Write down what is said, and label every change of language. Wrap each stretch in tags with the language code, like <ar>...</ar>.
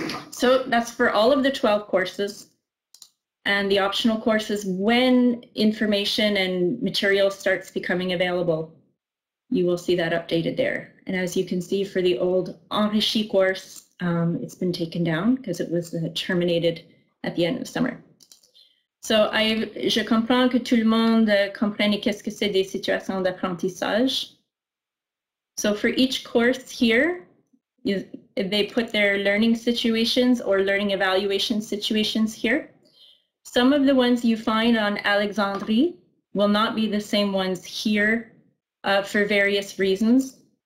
<en>So that's for all of the 12 courses and the optional courses. When information and material starts becoming available, you will see that updated there. And as you can see for the old Enrichi course, It's been taken down because it was terminated at the end of summer.</en> <fr>So I, je comprends que tout le monde comprenne qu'est-ce que c'est des situations d'apprentissage.</fr> <en>So for each course here, they put their learning situations or learning evaluation situations here. Some of the ones you find on Alexandrie will not be the same ones here for various reasons.</en>